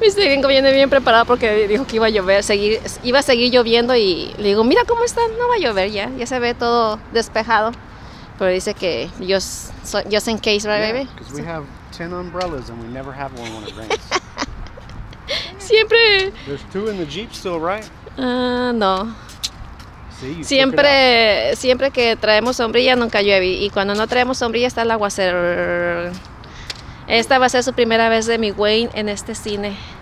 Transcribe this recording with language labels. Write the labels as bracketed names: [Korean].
[Spanish] Viste, gringo, viene bien preparado porque dijo que iba a llover, iba a seguir lloviendo y le digo, mira cómo está, no va a llover ya, ya se ve todo despejado. Pero dice que [English] just in case, right, yeah, baby? Because we have 10 umbrellas and we never have one when it rains. [Spanish] Siempre. [English] There's two in the Jeep still, right? No. See, [Spanish] siempre, siempre que traemos sombrilla nunca llueve. Y cuando no traemos sombrilla está el aguacero. Esta va a ser su primera vez de mi Wayne en este cine.